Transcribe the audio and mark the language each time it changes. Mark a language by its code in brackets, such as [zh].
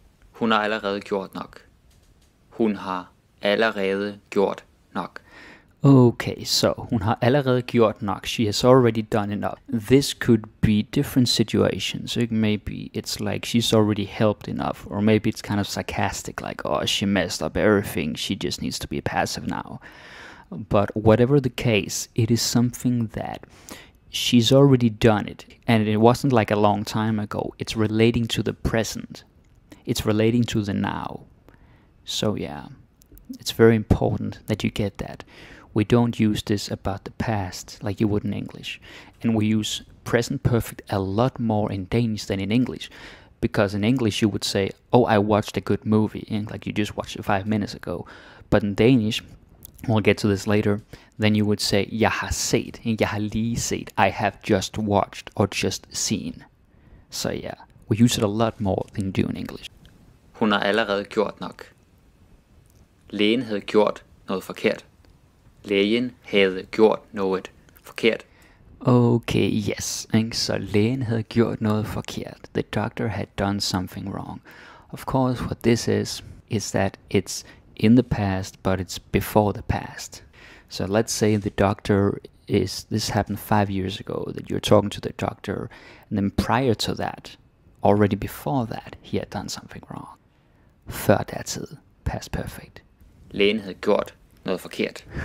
[da] Hun har allerede gjort nok. Hun har allerede gjort nok. Okay, so hun har allerede gjort nok. [en] She has already done enough. This could be different situations. Like maybe it's like she's already helped enough. Or maybe it's kind of sarcastic, like, oh, she messed up everything. She just needs to be passive now. But whatever the case, it is something that she's already done it. And it wasn't like a long time ago. It's relating to the present. It's relating to the now. So yeah, it's very important that you get that. We don't use this about the past like you would in English. And we use present perfect a lot more in Danish than in English. Because in English you would say, oh, I watched a good movie, and like you just watched it 5 minutes ago. But in Danish, we'll get to this later, then you would say, [da] jeg har set, jeg har lige set, [en] I have just watched or just seen. So yeah, we use it a lot more than you do in English. [da] Hun har allerede gjort nok. Lægen havde gjort noget forkert. Lægen havde gjort noget forkert. [en] Okay, yes. [da] So lægen havde gjort noget forkert. [en] The doctor had done something wrong. Of course, what this is that it's in the past, but it's before the past. So let's say the doctor is, this happened 5 years ago, that you're talking to the doctor, and then prior to that, already before that, he had done something wrong. [da] Før datid, [en] past perfect. [da] Lægen havde gjort noget forkert.